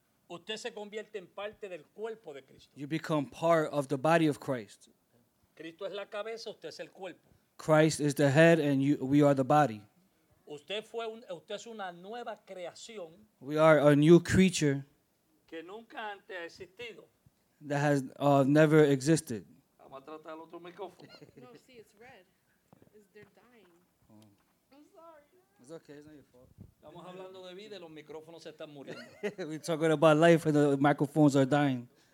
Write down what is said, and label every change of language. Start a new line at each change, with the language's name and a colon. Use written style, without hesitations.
Spanish: usted se convierte en parte del cuerpo de Cristo.
English: You become part of the body of Christ.
Spanish: Cristo es la cabeza, usted es el cuerpo.
English: Christ is the head and we are the body.
Spanish: Usted es una nueva creación.
English: We are a new creature.
Spanish: Que nunca antes ha existido.
English: That has never existed.
Spanish: Vamos a tratar el otro micrófono.
English: No, see, it's red. They're dying. Oh. I'm sorry. It's okay, it's not your fault.
Spanish: Estamos hablando de vida y los micrófonos se están muriendo.
English: We're talking about life and the microphones are dying.